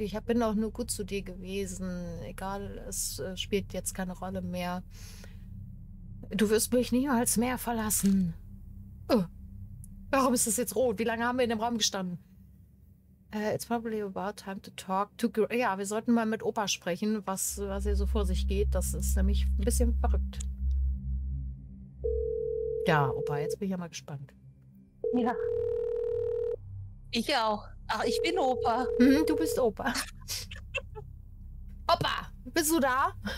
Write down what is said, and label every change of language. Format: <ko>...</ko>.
<de>Ich bin auch nur gut zu dir gewesen. Egal, es spielt jetzt keine Rolle mehr. Du wirst mich niemals mehr verlassen. Warum ist es jetzt rot? Wie lange haben wir in dem Raum gestanden?</de> <en>It's probably about time to talk to Gray.</en> <de>Ja, wir sollten mal mit Opa sprechen, was hier so vor sich geht. Das ist nämlich ein bisschen verrückt. Ja, Opa, jetzt bin ich ja mal gespannt. Ja. Ich auch. Ach, ich bin Opa. Mhm, du bist Opa. Opa, bist du da?</de>